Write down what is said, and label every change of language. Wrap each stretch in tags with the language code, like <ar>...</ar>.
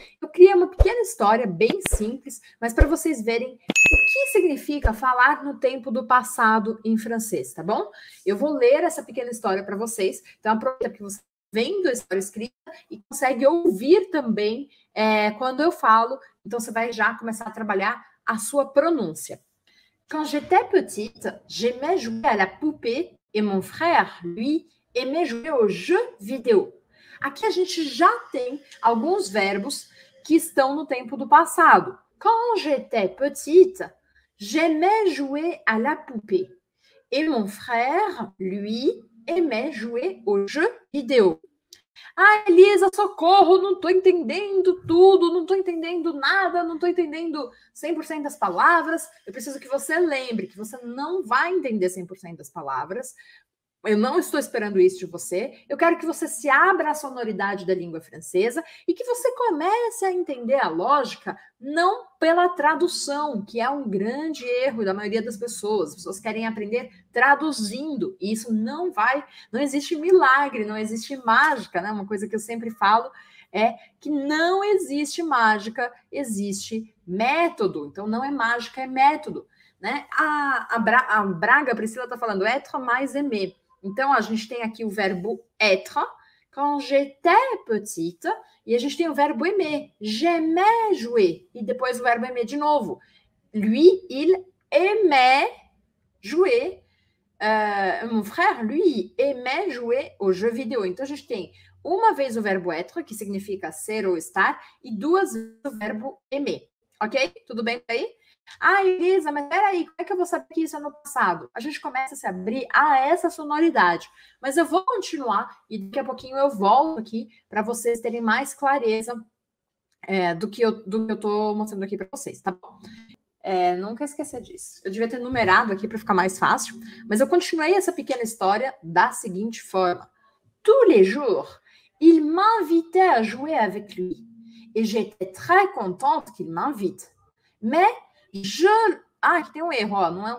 <pt>Eu criei uma pequena história, bem simples, mas para vocês verem o que significa falar no tempo do passado em francês, tá bom? Eu vou ler essa pequena história para vocês. Então, aproveita que você está vendo a história escrita e consegue ouvir também quando eu falo. Então, você vai já começar a trabalhar a sua pronúncia.</pt> <fr>Quand j'étais petite, j'aimais jouer à la poupée et mon frère, lui, aimait jouer aux jeux vidéo.</fr> <pt>Aqui a gente já tem alguns verbos que estão no tempo do passado.</pt> <fr>Quand j'étais petite, j'aimais jouer à la poupée. Et mon frère, lui, aimait jouer aux jeux vidéo.</fr> <pt>Ah, Elisa, socorro, não estou entendendo tudo, não estou entendendo nada, não estou entendendo 100% das palavras. Eu preciso que você lembre que você não vai entender 100% das palavras. Eu não estou esperando isso de você. Eu quero que você se abra à sonoridade da língua francesa e que você comece a entender a lógica não pela tradução, que é um grande erro da maioria das pessoas. As pessoas querem aprender traduzindo. E isso não vai... Não existe milagre, não existe mágica, né? Uma coisa que eu sempre falo é que não existe mágica, existe método. Então, não é mágica, é método, né? A Priscila está falando être mais aimer. Então, a gente tem aqui o verbo être,</pt> <fr>quand j'étais petite,</fr> <pt>e a gente tem o verbo aimer,</pt> <fr>j'aimais jouer,</fr> <pt>e depois o verbo aimer de novo.</pt> <fr>Lui, il aimait jouer, mon frère, lui, aimait jouer au jeu vidéo.</fr> <pt>Então, a gente tem uma vez o verbo être, que significa ser ou estar, e duas vezes o verbo aimer, ok? Tudo bem aí? Ah, Elisa, mas peraí, como é que eu vou saber que isso é no passado? A gente começa a se abrir a essa sonoridade. Mas eu vou continuar e daqui a pouquinho eu volto aqui para vocês terem mais clareza do que eu estou mostrando aqui para vocês, tá bom? Nunca esquecer disso. Eu devia ter numerado aqui para ficar mais fácil, mas eu continuei essa pequena história da seguinte forma.</pt> <fr>Tous les jours, il m'invitait à jouer avec lui. Et j'étais très contente qu'il m'invite. Mais...</fr> <pt>aqui tem um erro, ó.</pt>